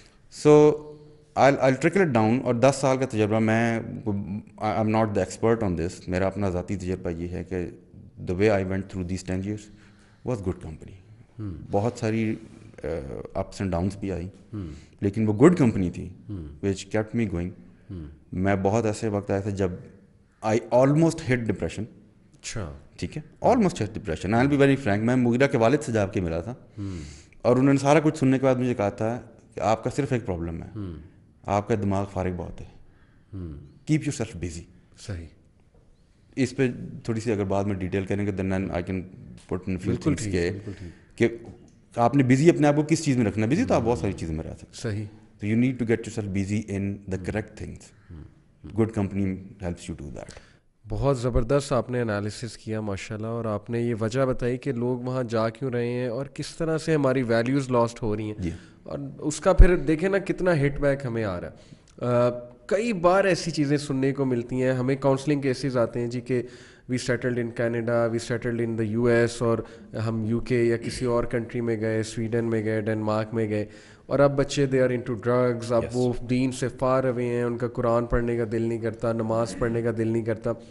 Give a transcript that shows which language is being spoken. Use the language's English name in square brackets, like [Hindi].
[Urdu] So [English] I'll trickle it down. [Urdu] اور 10 سال کا تجربہ، میں [English] I'm not the expert on this. [Urdu] میرا اپنا ذاتی تجربہ یہ ہے کہ [English] the way I went through these 10 years was good company. [Urdu] بہت ساری [English] ups and downs [Urdu] بھی آئیں لیکن وہ [English] good company [Urdu] تھی [English] which kept me going. [Urdu] میں بہت ایسے وقت آیا تھا جب [English] I almost hit depression. [Urdu] اچھا، ٹھیک ہے، [English] almost hit depression. I'll be very frank. [Urdu] میں مغیرہ کے والد سے جا کے ملا تھا اور انہوں نے سارا کچھ سننے کے بعد مجھے کہا تھا کہ آپ کا صرف ایک پرابلم ہے، آپ کا دماغ فارغ بہت ہے، [English] Keep yourself busy. [Urdu] صحیح. اس پہ تھوڑی سی اگر بعد میں ڈیٹیل کریں گے [English] then I can put in few things [Urdu] کہ آپ نے بزی اپنے آپ کو کس چیز میں رکھنا ہے. بزی تو آپ بہت ساری چیزوں میں رہ سکتے. صحیح. [English] تو you need to get yourself busy in the correct things. Good company helps you to that. [Urdu] بہت زبردست آپ نے انالیسس کیا ماشاءاللہ, اور آپ نے یہ وجہ بتائی کہ لوگ وہاں جا کیوں رہے ہیں اور کس طرح سے ہماری ویلیوز لاسٹ ہو رہی ہیں. اور اس کا پھر دیکھیں نا کتنا ہٹ بیک ہمیں آ رہا ہے. کئی بار ایسی چیزیں سننے کو ملتی ہیں, ہمیں کاؤنسلنگ کیسز آتے ہیں جی کہ [English] we settled in Canada, we settled in the U S, [Urdu] اور ہم یو کے یا کسی اور کنٹری میں گئے, سویڈن میں گئے, ڈنمارک میں گئے, اور اب بچے [English] they are into drugs, [Urdu] اب وہ دین سے [English] far away [Urdu] ہیں, ان کا قرآن پڑھنے کا دل نہیں کرتا, نماز پڑھنے کا دل نہیں کرتا.